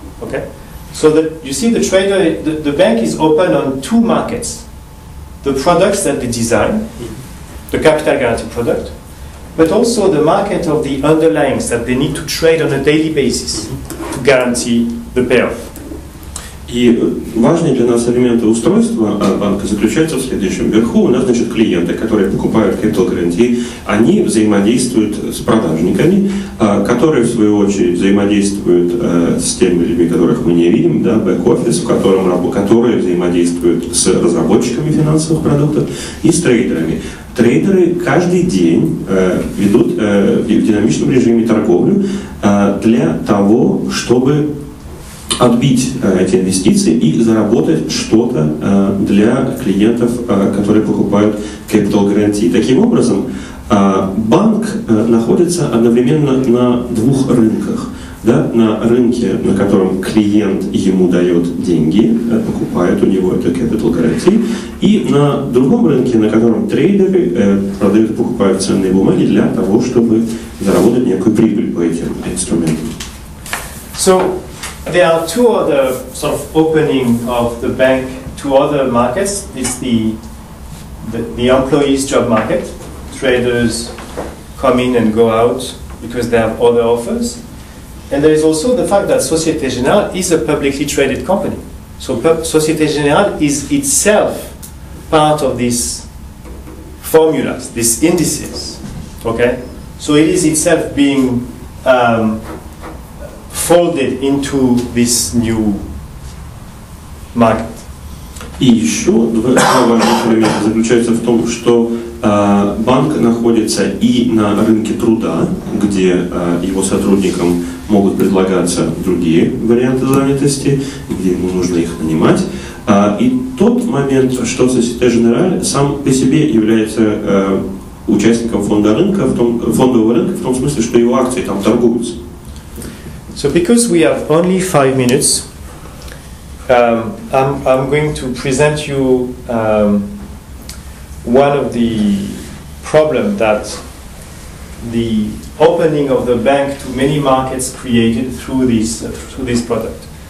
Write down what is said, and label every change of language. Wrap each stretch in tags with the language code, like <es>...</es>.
<en>Okay, so that you see, the trader, the bank is open on two markets: the products that they design, the capital guarantee product, but also the market of the underlyings that they need to trade on a daily basis to guarantee the payoff.</en> <ru>И важный для нас элемент устройства банка заключается в следующем. Вверху у нас, значит, клиенты, которые покупают криптогарантии, они взаимодействуют с продажниками, которые, в свою очередь, взаимодействуют с теми людьми, которых мы не видим, да, бэк-офис, которые взаимодействуют с разработчиками финансовых продуктов и с трейдерами. Трейдеры каждый день ведут в динамичном режиме торговлю для того, чтобы отбить эти инвестиции и заработать что-то для клиентов, которые покупают capital guarantee. Таким образом, банк находится одновременно на двух рынках. Да? На рынке, на котором клиент ему дает деньги, покупает у него эту capital guarantee, и на другом рынке, на котором трейдеры продают и покупают ценные бумаги для того, чтобы заработать некую прибыль по этим инструментам.</ru> <en>So there are two other sort of opening of the bank to other markets. It's the employees' job market. Traders come in and go out because they have other offers. And there is also the fact that Société Générale is a publicly traded company. So Société Générale is itself part of these formulas, these indices. Okay? So it is itself being folded into this new market.</en> <ru>И еще два важных элемента заключаются в том, что банк находится и на рынке труда, где его сотрудникам могут предлагаться другие варианты занятости, где ему нужно их нанимать. И тот момент, что Société Générale сам по себе является участником фондового рынка, в том смысле, что его акции там торгуются.</ru> <en>So because we have only 5 minutes, I'm going to present you one of the problems that the opening of the bank to many markets created through this product.</en>